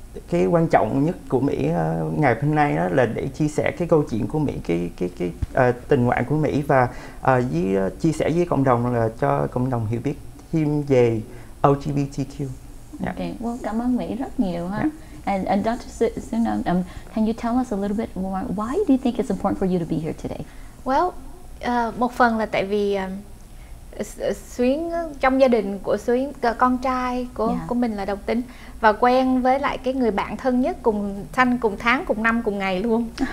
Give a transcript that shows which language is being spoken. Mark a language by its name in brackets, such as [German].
[Vietnamese] Cái quan trọng nhất của Mỹ ngày hôm nay đó là để chia sẻ cái câu chuyện của Mỹ, cái tình nguyện của Mỹ, và chia sẻ với cộng đồng là cho cộng đồng hiểu biết thêm về LGBTQ. Cảm ơn Mỹ rất nhiều ha. And Dr. [English] Suna, can you tell us a little bit more, why do you think it's important for you to be here today? [Vietnamese] Một phần là tại vì Xuyến, trong gia đình của Xuyến, con trai của mình là đồng tính và quen với lại cái người bạn thân nhất cùng sanh cùng tháng cùng năm cùng ngày luôn.